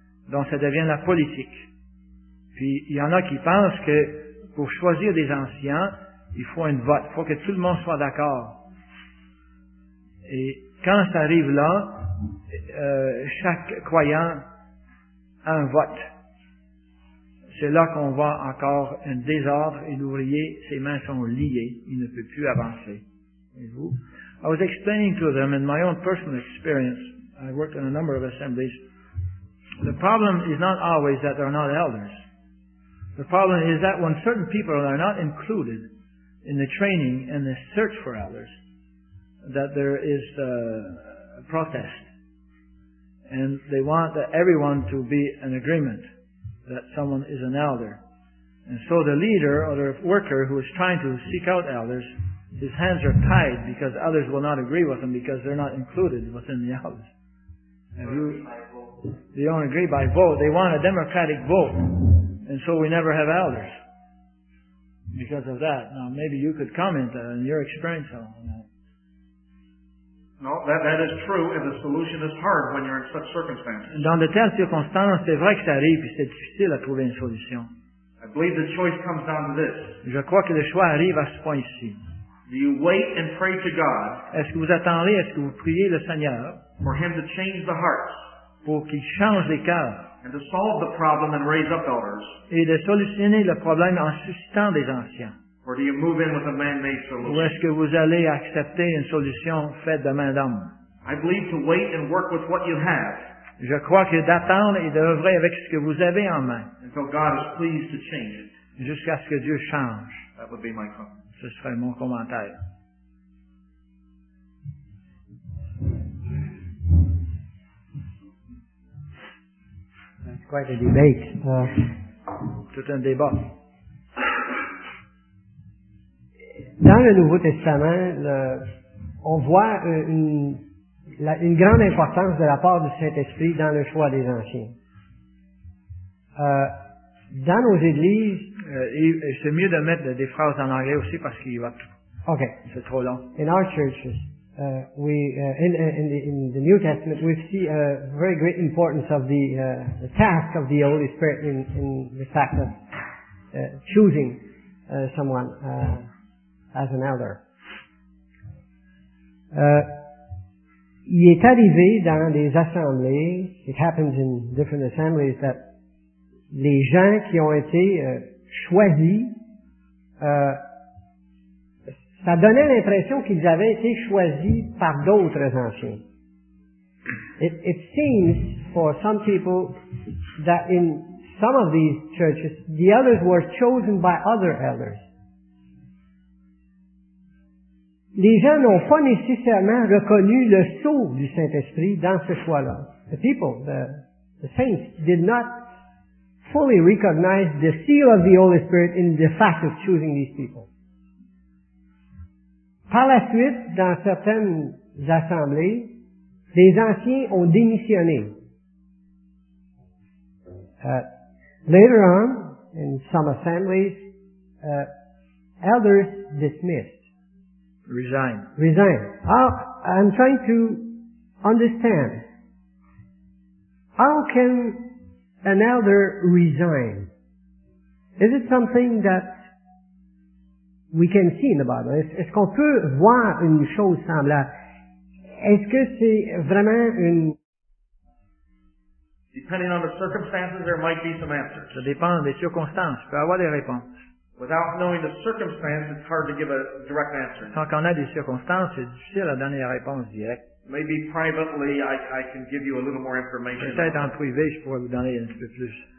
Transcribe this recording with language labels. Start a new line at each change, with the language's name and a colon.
French: Donc, ça devient la politique. Puis, il y en a qui pensent que pour choisir des anciens, il faut un vote, il faut que tout le monde soit d'accord. Et quand ça arrive là, chaque croyant a un vote. C'est là qu'on voit encore un désordre et l'ouvrier, ses mains sont liées, il ne peut plus avancer. Et vous?
English: I was explaining to them in my own personal experience, I worked in a number of assemblies, the problem is not always that they're not elders. The problem is that when certain people are not included in the training and the search for elders, that there is a protest. And they want that everyone to be in agreement that someone is an elder. And so the leader or the worker who is trying to seek out elders, his hands are tied because others will not agree with him because they're not included within the elders. And you, they don't agree by vote. They want a democratic vote. And so we never have elders because of that. Now, maybe you could comment on your experience on that. No, that is true, and the solution is hard when you're in such circumstances.
French: Dans de telles circonstances, c'est vrai que ça arrive, puis c'est difficile à trouver une solution.
English: I believe the choice comes down to this.
French: Je crois que le choix arrive à ce point-ci.
English: Do you wait and pray to God?
French: Est-ce que vous attendez, est-ce que vous priez le Seigneur?
English: For him to change the hearts.
French: Pour qu'il change les cœurs.
English: And to solve the problem and raise up elders.
French: Et de solutionner le problème en suscitant des anciens.
English: Or do you move in with a man-made solution?
French: Ou est-ce que vous allez accepter une solution faite de main d'homme?
English: I believe to wait and work with what you have.
French: Je crois que d'attendre et d'œuvrer avec ce que vous avez en main.
English: Until God is pleased to change it.
French: Jusqu'à ce que Dieu change.
English: That would be my comment.
French: Ce serait mon commentaire.
English: Quite a debate.
French: Tout un débat. Dans le Nouveau Testament, on voit une grande importance de la part du Saint-Esprit dans le choix des anciens. Dans nos églises... C'est mieux de mettre des phrases en anglais aussi parce qu'il va tout. OK. C'est trop long.
English: In our churches, in the New Testament, we see a very great importance of the task of the Holy Spirit in the fact of choosing someone as an elder.
French: Il est arrivé dans des assemblées,
English: it happens in different assemblies,
French: that les gens qui ont été choisis, ça donnait l'impression qu'ils avaient été choisis par d'autres anciens.
English: It seems for some people that in some of these churches, the elders were chosen by other elders.
French: Les gens n'ont pas nécessairement reconnu le sceau du Saint-Esprit dans ce choix-là.
English: The people, the saints, did not fully recognize the seal of the Holy Spirit in the fact of choosing these people.
French: Par la suite, dans certaines assemblées, les anciens ont démissionné.
English: Later on, in some assemblies, elders dismissed. Resigned. I'm trying to understand. How can an elder resign? Is it something that we can see in the Bible?
French: Est-ce qu'on peut voir une chose semblable? Est-ce que c'est vraiment une...
English: Depending on the circumstances, there might be some answers.
French: Ça dépend des circonstances. Tu peux avoir des réponses.
English: Without knowing the circumstances, it's hard to give a direct answer.
French: Sans qu'on ait des circonstances, c'est difficile à donner la réponse directe.
English: Maybe privately, I can give you a little more information.
French: Peut-être en privé, je pourrais vous donner un peu plus.